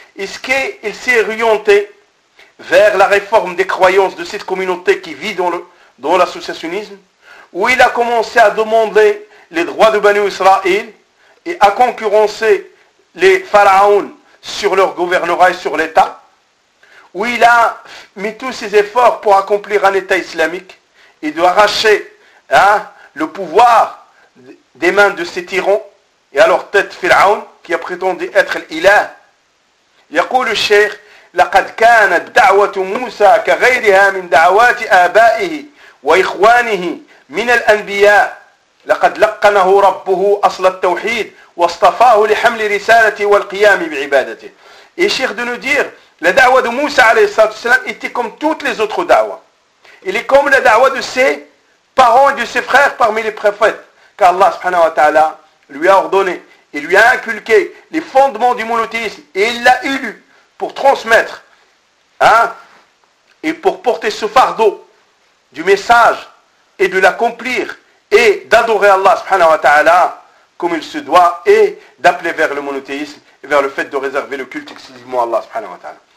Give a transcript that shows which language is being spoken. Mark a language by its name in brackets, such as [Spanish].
[French] Est-ce qu'il s'est orienté vers la réforme des croyances de cette communauté qui vit dans l'associationnisme, où il a commencé à demander les droits de Bani Israël et à concurrencer les pharaons sur leur gouvernorat et sur l'État, où il a mis tous ses efforts pour accomplir un État islamique et d'arracher le pouvoir des mains de ses tyrans et à leur tête Pharaon qui a prétendu être l'Ilah. [Arabic] Yaqul le Cheikh, لقد كانت دعوة موسى كغيرها من دعوات آبائه وإخوانه من الأنبياء لقد لقنه ربه أصل التوحيد واصطفاه لحمل رسالته والقيام بعبادته. [French] Et Cheikh de nous dire, la da'wa de Moussa alayhi salatu salam était comme toutes les autres da'was. Il est comme la da'wa de ses parents et de ses frères parmi les prophètes, car Allah subhanahu wa ta'ala lui a ordonné et lui a inculqué les fondements du monothéisme et il l'a élu pour transmettre et pour porter ce fardeau du message et de l'accomplir et d'adorer Allah subhanahu wa ta'ala comme il se doit et d'appeler vers le monothéisme et vers le fait de réserver le culte exclusivement à Allah subhanahu wa ta'ala.